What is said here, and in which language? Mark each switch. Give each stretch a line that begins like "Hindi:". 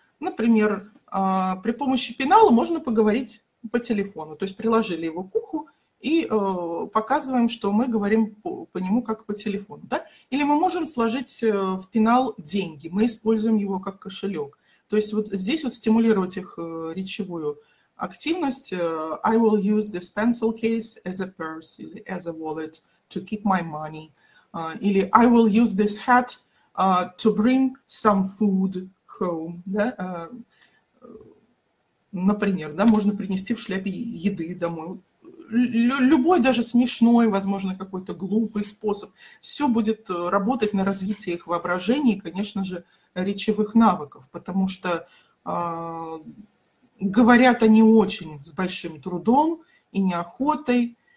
Russian: Например, при помощи пенала можно поговорить по телефону, то есть приложили его к уху и показываем, что мы говорим по нему как по телефону. Да? Или мы можем сложить в пенал деньги, мы используем его как кошелек. То есть вот здесь вот стимулировать их речевую активность.
English: I will use this pencil case as a purse,
Russian: или
English: as a wallet to keep my money.
Russian: Или
English: I will use this hat to bring some food home.
Russian: Да? Например, да, можно принести в шляпе еды домой. Любой даже смешной, возможно, какой-то глупый способ. Все будет работать на развитие их воображения и, конечно же, речевых навыков. Потому что говорят они очень с большим трудом и неохотой.